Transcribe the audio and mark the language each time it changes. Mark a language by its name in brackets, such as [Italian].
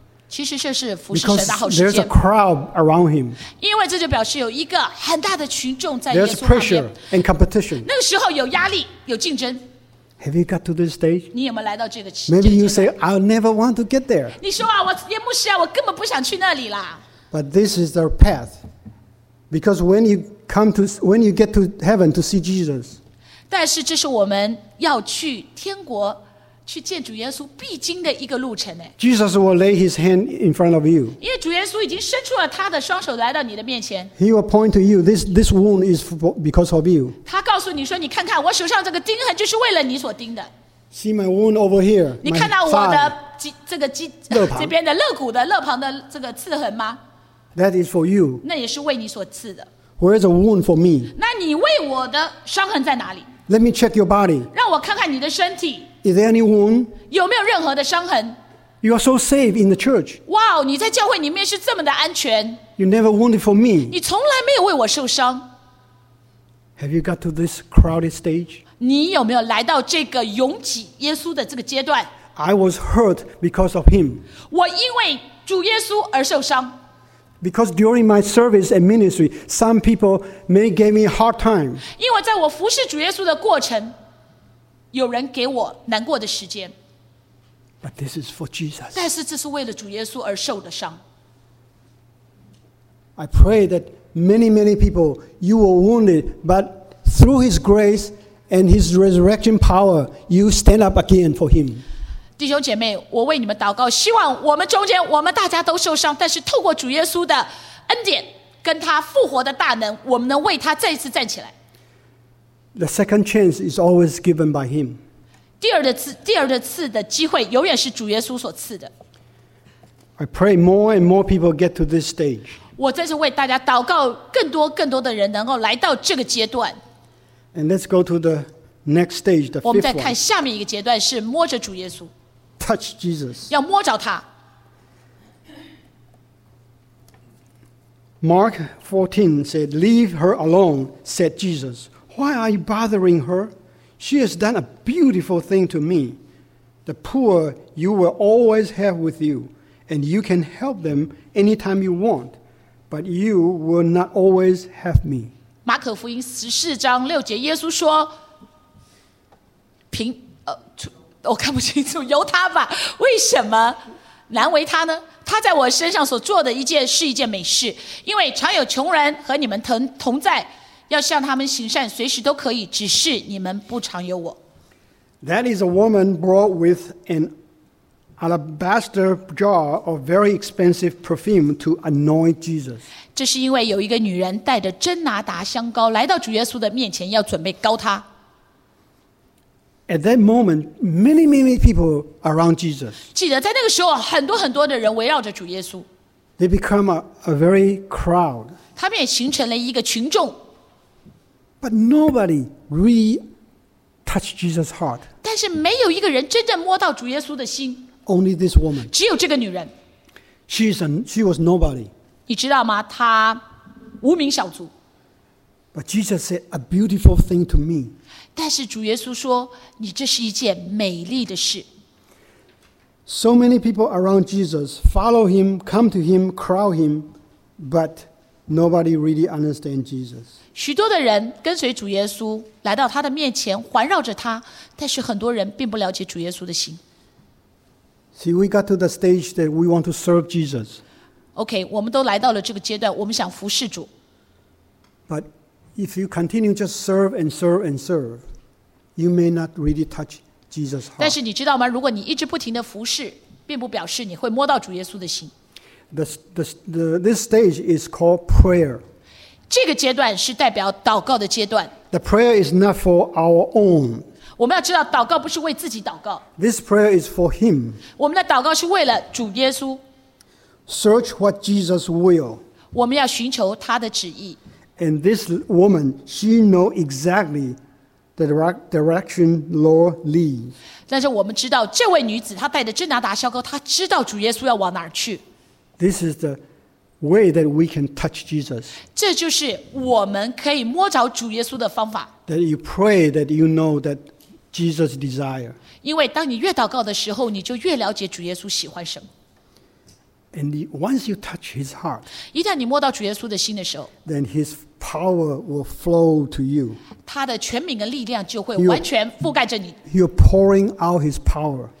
[Chinese] 其实这是服侍神的好时间。 [English] There's a crowd around him. [Chinese] 因为这就表示有一个很大的群众在耶稣旁边。 [English] There's pressure and competition. [Chinese] 那个时候有压力，有竞争。 [English] Have you got to this stage? [Chinese] 你有没有来到这个？ [English] Maybe you say, I'll never want to get there. [Chinese] 你说啊，我耶牧师啊，我根本不想去那里啦。 [English] But this is the path, because when you get to heaven to see Jesus. [Chinese] 但是这是我们要去天国。去见主耶稣必经的一个路程。 [English] Jesus will lay his hand in front of you. [Chinese] 因为主耶稣已经伸出了他的双手来到你的面前。 [English] He will point to you, this wound is because of you. [Chinese] 他告诉你说，你看看我手上这个钉痕就是为了你所钉的。 [English] See my wound over here, [Chinese] 你看到我的这个这边的肋骨的肋旁的这个刺痕吗？ [English] That is for you. [Chinese] 那也是为你所刺的。 [English] Where is the wound for me? [Chinese] 那你为我的伤痕在哪里？ [English] Let me check your body. [Chinese] 让我看看你的身体。 [English] Is there any wound? [Chinese] 有没有任何的伤痕？ [English] You are so safe in the church. [Chinese] Wow, 你在教会里面是这么的安全。 [English] You never wounded for me. [Chinese] 你从来没有为我受伤。 [English] Have you got to this crowded stage? [Chinese] 你有没有来到这个拥挤耶稣的这个阶段？ [English] I was hurt because of him. [Chinese] 我因为主耶稣而受伤。 [English] Because during my service and ministry, some people may give me a hard time. [Chinese] 因为在我服侍主耶稣的过程，有人给我难过的时间。 [English] But this is for Jesus. [Chinese] 但是这是为了主耶稣而受的伤。 [English] I pray that many many people you were wounded, but through his grace and his resurrection power you stand up again for him. [Chinese] 弟兄姐妹，我为你们祷告，希望我们中间我们大家都受伤，但是透过主耶稣的恩典跟他复活的大能，我们能为他再一次站起来。 [English] The second chance is always given by him. [Chinese] 第二次的机会永远是主耶稣所赐的。 [English] I pray more and more people get to this stage. [Chinese] 我在这为大家祷告，更多更多的人能够来到这个阶段。 [English] And let's go to the next stage, the fifth one. [Chinese] 我们再看下面一个阶段，是摸着主耶稣。 [English] Touch Jesus. [Chinese] 要摸着他。 [English] Mark 14 said, "Leave her alone," said Jesus. Why are you bothering her? She has done a beautiful thing to me. The poor you will always have with you, and you can help them anytime you want, but you will not always have me. [Chinese] 马可福音十四章六节，耶稣说：“我看不清楚，由他吧。为什么难为他呢？他在我身上所做的一件是一件美事，因为常有穷人和你们同在。”要向他们行善，随时都可以，只是你们不常有我。 [English] That is a woman brought with an alabaster jar of very expensive perfume to anoint Jesus. [Chinese] 这是因为有一个女人带着真拿达香膏来到主耶稣的面前，要准备膏他。 [English] At that moment, many, many people around Jesus. [Chinese] 记得在那个时候，很多很多的人围绕着主耶稣。 [English] They become a very crowd. [Chinese] 他们也形成了一个群众。 [English] But nobody really touched Jesus' heart. [Chinese] 但是没有一个人真正摸到主耶稣的心。 [English] Only this woman. [Chinese] 只有这个女人。 [English] She was nobody. [Chinese] 你知道吗？她无名小卒。 [English] But Jesus said a beautiful thing to me. [Chinese] 但是主耶稣说，你这是一件美丽的事。 [English] So many people around Jesus follow him, come to him, crowd him, but nobody really understands Jesus. [Chinese] 许多的人跟随主耶稣来到他的面前，环绕着他，但是很多人并不了解主耶稣的心。 [English] See, we got to the stage that we want to serve Jesus. [Chinese] Okay, 我们都来到了这个阶段，我们想服侍主。 [English] But if you continue just serve and serve and serve, you may not really touch Jesus' heart. [Chinese] 但是你知道吗？如果你一直不停的服侍，并不表示你会摸到主耶稣的心。 [English] This stage is called prayer. [Chinese] 这个阶段是代表祷告的阶段。 [English] The prayer is not for our own. [Chinese] 我们要知道祷告不是为自己祷告。 [English] This prayer is for him. [Chinese] 我们的祷告是为了主耶稣。 [English] Search what Jesus will. [Chinese] 我们要寻求他的旨意。 [English] And this woman, she knows exactly the direction Lord leads. [Chinese] 但是我们知道这位女子她带着真拿达香膏，她知道主耶稣要往哪儿去。 [English] This is the way that we can touch Jesus. [Chinese] 这就是我们可以摸着主耶稣的方法。 [English] That you pray that you know that Jesus desire. [Chinese] 因为当你越祷告的时候，你就越了解主耶稣喜欢什么。 [English] And once you touch His heart, [Chinese] 一旦你摸到主耶稣的心的时候 [English] ，then His power will flow to you. [Chinese] 他的权柄跟力量就会完全覆盖着你。 [English] You're pouring out His power.